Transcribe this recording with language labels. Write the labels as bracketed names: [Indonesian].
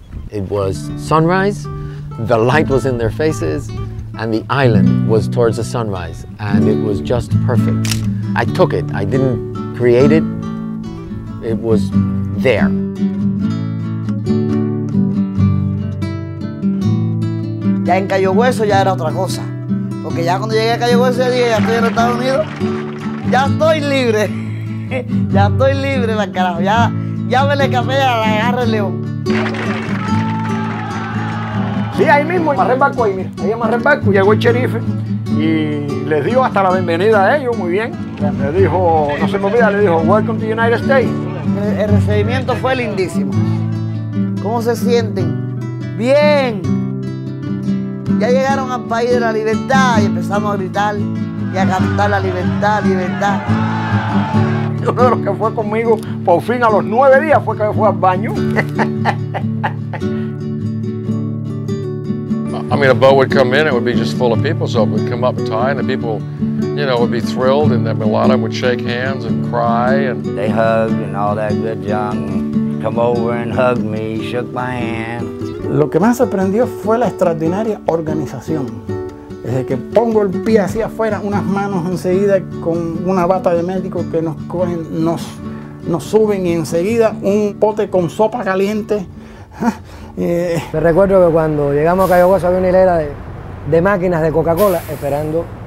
[English] It was sunrise, the light was in their faces, and the island was towards the sunrise, and it was just perfect. I took it, I didn't create it, it was there. [Spanish] Ya en Cayo Hueso ya era otra cosa. Porque ya cuando llegué a Cayo Hueso ese día, ya estoy en Estados Unidos, ya estoy libre. Ya estoy libre, la carajo. Ya me le escapé a la agarra el león. Sí, ahí mismo, amarré el barco ahí, mira. Ahí amarré el barco, llegó el sheriff y les dio hasta la bienvenida a ellos, muy bien. Le dijo, no se me olvida, le dijo, [English] welcome to the United States. [Spanish] El recibimiento fue lindísimo. ¿Cómo se sienten? Bien. Ya llegaron al país de la libertad y empezamos a gritar y a cantar la libertad, libertad. Uno de los que fue conmigo por fin a los 9 días fue que fue al baño. [English] I mean, a boat would come in, it would be just full of people, so it would come up tied, and people, you know, would be thrilled, and then a lot of them would shake hands and cry. And they hugged and all that good junk. Come over and hug me, shook my hand. [Spanish] Lo que más sorprendió fue la extraordinaria organización. Desde que pongo el pie hacia afuera, unas manos enseguida con una bata de médico que nos cogen, nos suben y enseguida un pote con sopa caliente. Me recuerdo que cuando llegamos a Cayo Hueso había una hilera de máquinas de Coca-Cola esperando.